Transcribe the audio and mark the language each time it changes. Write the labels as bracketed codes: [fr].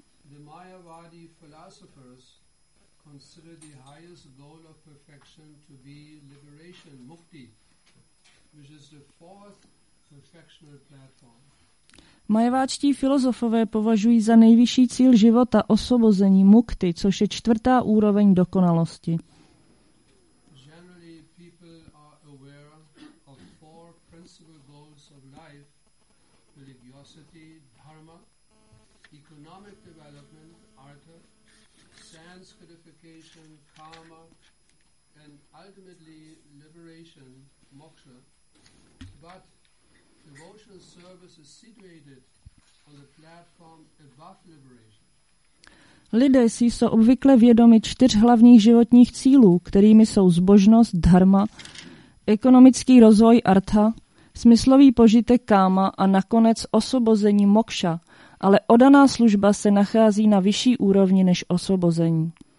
[en] The Mayavadi philosophers consider the highest goal of perfection to be liberation, mukti, which is the fourth perfectional platform. [cs] Mayavádští filozofové považují za nejvyšší cíl života osvobození mukti, což je čtvrtá úroveň dokonalosti. [en] Generally, people are aware of four principal goals of life: religiosity, dharma, economic development, artha, sanskritification, karma, and ultimately liberation, moksha. But devotional service is situated on the platform above liberation. [cs] Lidé si jsou obvykle vědomi čtyř hlavních životních cílů, kterými jsou zbožnost, dharma, ekonomický rozvoj, artha, smyslový požitek, káma a nakonec osvobození, mokša, ale oddaná služba se nachází na vyšší úrovni než osvobození.